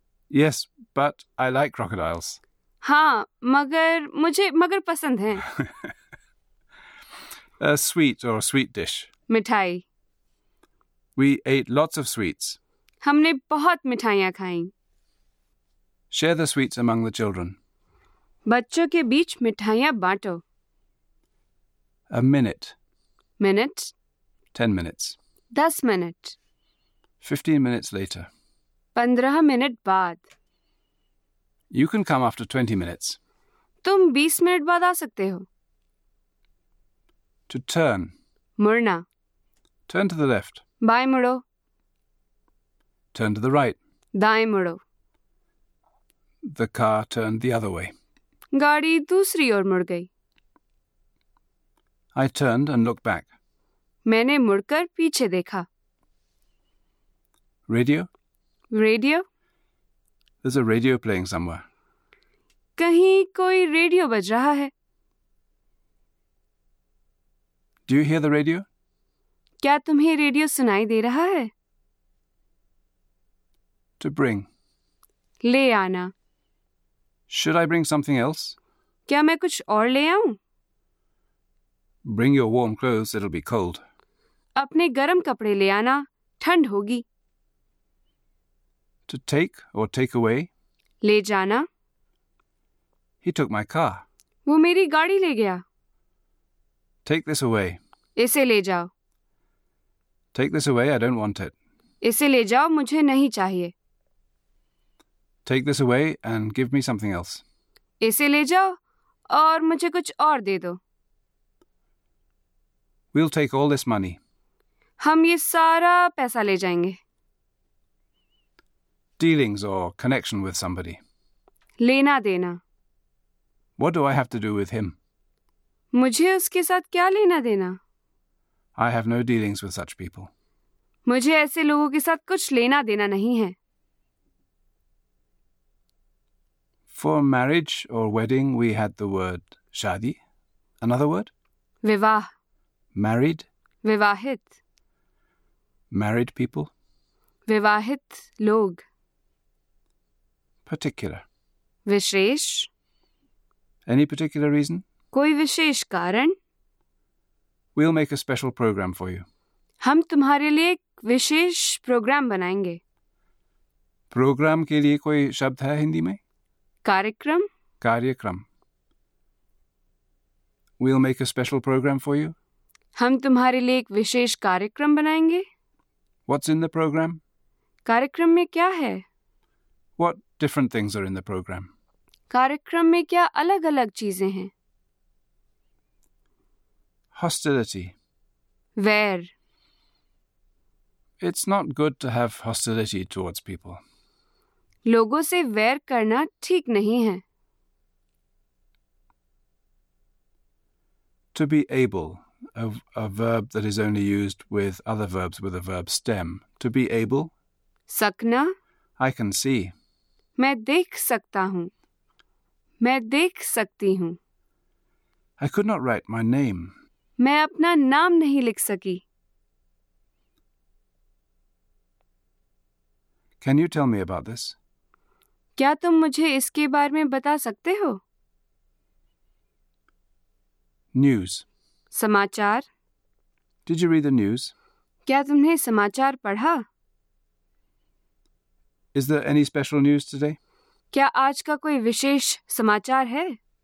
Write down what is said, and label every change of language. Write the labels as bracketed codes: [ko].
[en] Yes, but I like crocodiles. [hi] हाँ, मगर मुझे मगर पसंद हैं। [en] A sweet or a sweet dish. [hi] मिठाई। [en] We ate lots of sweets. [hi] हमने बहुत मिठाइयाँ खाईं। [en] Share the sweets among the children. [hi] बच्चों के बीच मिठाइयां बांटो. [en] A minute. Minute. 10 minutes. 10 minutes. 15 minutes later. [hi] 15 minute बाद. [en] You can come after 20 minutes. [hi] तुम 20 मिनट बाद आ सकते हो. [en] To turn. [hi] मुड़ना. [en] Turn to the left. [hi] बाएं मुड़ो. [en] Turn to the right. [hi] दाएं मुड़ो. [en] The car turned the other way. [hi] गाड़ी दूसरी ओर मुड़ गई. [en] I turned and looked back. [hi] मैंने मुड़कर पीछे देखा. [en] Radio? Radio? There's a radio playing somewhere. [hi] कहीं कोई रेडियो बज रहा है. [en] Do you hear the radio? [hi] क्या तुम्हें रेडियो सुनाई दे रहा है? [en] To bring. [hi] ले आना. [en] Should I bring something else? [hi] क्या मैं कुछ और ले आऊं? [en] Bring your warm clothes, it'll be cold. [hi] अपने गर्म कपड़े ले आना, ठंड होगी. [en] To take or take away? [hi] ले जाना. [en] He took my car. [hi] वो मेरी गाड़ी ले गया. [en] Take this away. [hi] इसे ले जाओ. [en] Take this away, I don't want it. [hi] इसे ले जाओ, मुझे नहीं चाहिए. [en] Take this away and give me something else. [hi] इसे ले जाओ और मुझे कुछ और दे दो. [en] We'll take all this money. [hi] हम ये सारा पैसा ले जाएंगे. [en] Dealings or connection with somebody. [hi] लेना देना. [en] What do I have to do with him? [hi] मुझे उसके साथ क्या लेना देना? [en] I have no dealings with such people. [hi] मुझे ऐसे लोगों के साथ कुछ लेना देना नहीं है. [en] For marriage or wedding, we had the word shadi. Another word? [hi] Vivah. [en] Married? [hi] Vivahit. [en] Married people? [hi] Vivahit log. [en] Particular? [hi] Vishesh. [en] Any particular reason? [hi] Koi vishesh karan? [en] We'll make a special program for you. [hi] Hum tumhare liye ek vishesh program banayenge. Program ke liye koi shabd hai Hindi mein? कार्यक्रम. कार्यक्रम. [en] We'll make a special program for you. [hi] हम तुम्हारे लिए एक विशेष कार्यक्रम बनाएंगे. [en] What's in the program? [hi] कार्यक्रम में क्या है? [en] What different things are in the program? [hi] कार्यक्रम में क्या अलग अलग चीजें हैं? [en] Hostility. [hi] वैर. [en] It's not good to have hostility towards people. [hi] लोगों से वैर करना ठीक नहीं है. [en] To be able, a verb that is only used with other verbs with a verb stem. To be able. [hi] सकना. [en] I can see. [hi] मैं देख सकता हूँ. मैं देख सकती हूँ. [en] I could not write my name. [hi] मैं अपना नाम नहीं लिख सकी. [en] Can you tell me about this? [hi] क्या तुम मुझे इसके बारे में बता सकते हो? [en] News. [hi] समाचार. [en] Did you read the news? [hi] क्या तुमने समाचार पढ़ा? [en] Is there any special news today? [hi] क्या आज का कोई विशेष समाचार है?